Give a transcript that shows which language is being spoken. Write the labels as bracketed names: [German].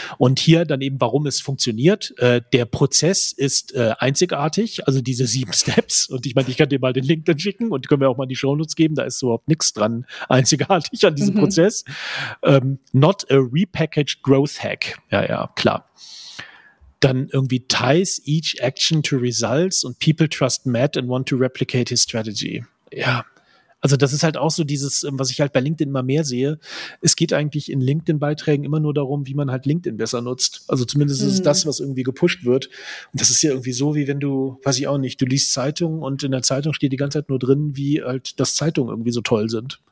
[German] Und hier dann eben, warum es funktioniert. Der Prozess ist einzigartig, also diese 7 Steps. Und ich meine, ich kann dir mal den Link dann schicken und können wir auch mal in die Shownotes geben. Da ist überhaupt nichts dran einzigartig an diesem Prozess. [English] Not a repackaged growth hack. [German] Ja, ja, klar. Dann irgendwie [English] ties each action to results und people trust Matt and want to replicate his strategy. [German] Ja. Also das ist halt auch so dieses, was ich halt bei LinkedIn immer mehr sehe. Es geht eigentlich in LinkedIn-Beiträgen immer nur darum, wie man halt LinkedIn besser nutzt. Also zumindest ist es das, was irgendwie gepusht wird. Und das ist ja irgendwie so, wie wenn du, weiß ich auch nicht, du liest Zeitungen und in der Zeitung steht die ganze Zeit nur drin, wie halt, dass Zeitungen irgendwie so toll sind.